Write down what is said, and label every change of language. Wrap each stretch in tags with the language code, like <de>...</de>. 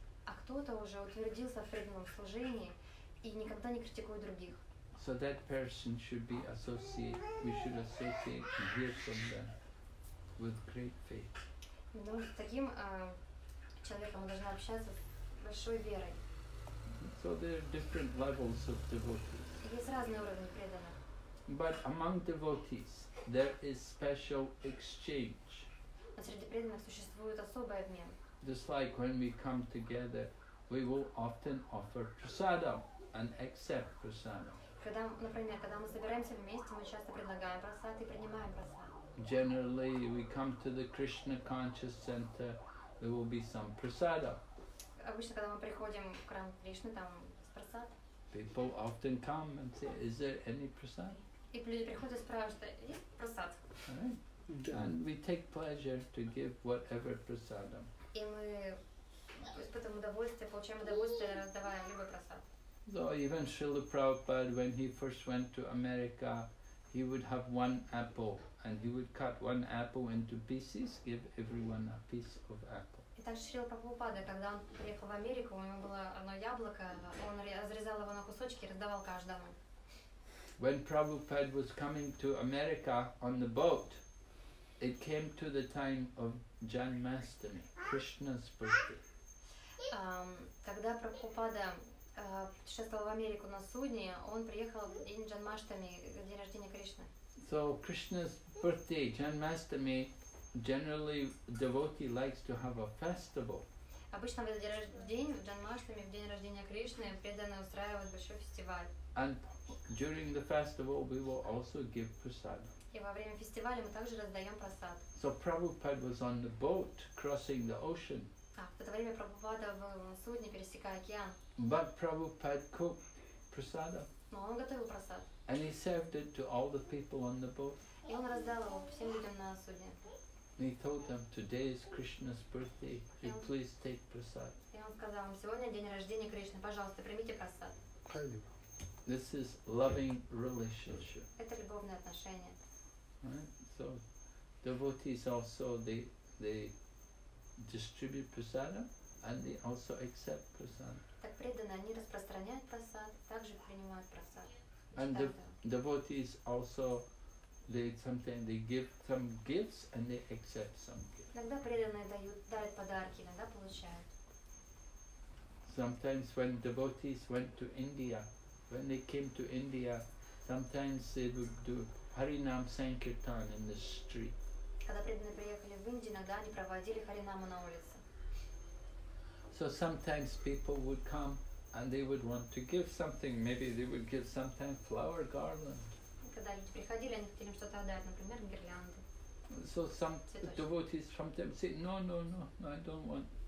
<ru>А кто-то уже утвердился в преданном служении и никогда не критикует других.</ru> <en>So that person should be associated, we should associate and hear from them with great faith.</en> <ru>Ну, с таким человеком мы должны общаться большой верой.</ru> <en>So there are different levels of devotees.</en> <ru>Есть разные уровни преданных.</ru> <en>But among devotees, there is special exchange.</en> <ru>Но среди преданных существует особый обмен.</ru> <en>Just like when we come together, we will often offer prasadam and accept prasadam.</en> <ru>Когда, например, когда мы собираемся вместе, мы часто предлагаем прасад и принимаем прасад.</ru> <en>Generally, we come to the Krishna Conscious Center, there will be some prasadam.</en> <ru>Обычно, когда мы приходим в храм Кришны, там прасад.</ru> <en>People often come and say, is there any prasad?</en> <ru>И люди приходят и спрашивают, есть прасад?</ru> <en>Right. And we take pleasure to give whatever prasadam.</en> <ru>И мы испытываем удовольствие, получаем удовольствие, раздавая любой прасад.</ru> <en>So even Srila Prabhupada, when he first went to America, he would have one apple, and he would cut one apple into pieces, give everyone a piece of apple.</en> <ru>И так Шрила Прабхупада, когда он приехал в Америку, у него было одно яблоко, он разрезал его на кусочки и раздавал каждому.</ru> <en>When Prabhupada was coming to America on the boat, it came to the time of Janmashtami, Krishna's birthday.</en> <ru>Когда Прабхупада путешествовал в Америку на судне, он приехал в день Джанмаштами, день рождения Кришны.</ru> <en>So Krishna's birthday, Janmashtami, generally devotee likes to have a festival.</en> <ru>Обычно в день Джанмаштами, в день рождения Кришны, преданные устраивают большой фестиваль.</ru> <en>And during the festival we will also give prasad.</en> <ru>И во время фестиваля мы также раздаем прасад.</ru> <en>So Prabhupada was on the boat crossing the ocean.</en> <ru>В это время Прабхупада в судне, пересекая океан.</ru> <en>But Prabhupada cooked prasadam.</en> <ru>Но он готовил прасад.</ru> <en>And he served it to all the people on the boat.</en> <ru>И он раздал его всем людям на судне.</ru> <en>And he told them, today is Krishna's birthday, you please take prasad.</en> <ru>И он сказал им, сегодня день рождения Кришны, пожалуйста, примите прасад.</ru> <en>This is loving relationship.</en> <ru>Это любовные отношения.</ru> <en>Right? So, devotees also, they distribute prasadam and they also accept prasadam.</en> <ru>Так преданные, они распространяют прасад, также принимают прасад.</ru> <en>And the devotees also, they give some gifts and they accept some gifts.</en> <ru>Иногда преданные дают подарки, иногда получают.</ru> <en>Sometimes when devotees went to India, when they came to India, sometimes they would do Harinam Sankirtan in the street.</en> <ru>Когда преданные приехали в Индию, иногда они проводили харинаму на улице.</ru> <en>So sometimes people would come and they would want to give something. Maybe they would give sometimes flower garland.</en> <ru>Когда люди приходили, они хотели что-то отдать, например, гирлянды.</ru> <en>So some devotees from them say, no, I don't want.</en>